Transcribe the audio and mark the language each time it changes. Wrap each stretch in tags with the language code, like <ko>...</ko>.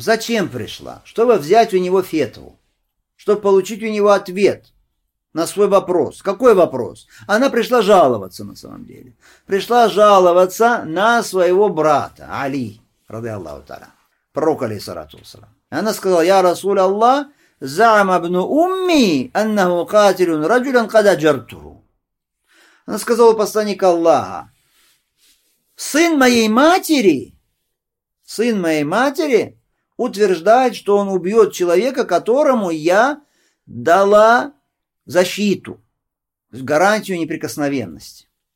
<ru>Зачем пришла? Чтобы взять у него фетву. Чтобы получить у него ответ на свой вопрос. Какой вопрос? Она пришла жаловаться на самом деле. Пришла жаловаться на своего брата, Али, ради Аллаху Таляна, пророк, алейхиссалату вассалям. Она сказала, я Расуль Аллах,</ru> <ar>زعم ابن أمي أنه قاتل رجلا قد أجرته.</ar> <ru>Она сказала посланнику Аллаха, сын моей матери утверждает, что он убьет человека, которому я дала защиту, гарантию неприкосновенности.</ru>